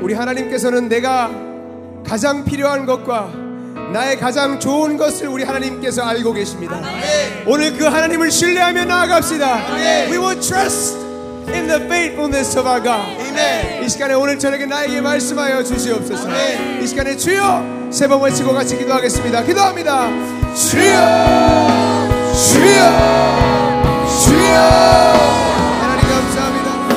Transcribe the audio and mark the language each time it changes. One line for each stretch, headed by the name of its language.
Korean: 우리 하나님께서는 내가 가장 필요한 것과 나의 가장 좋은 것을 우리 하나님께서 알고 계십니다. 아멘. 오늘 그 하나님을 신뢰하며 나아갑시다. 아멘.
English: We will trust in the faithfulness of our God.
Korean: 아멘. 이 시간에 오늘 저녁에 나에게 말씀하여 주시옵소서. 아멘. 이 시간에 주여 세 번 외치고 같이 기도하겠습니다. 기도합니다. 주여, 주여, 주여. 하나님 감사합니다.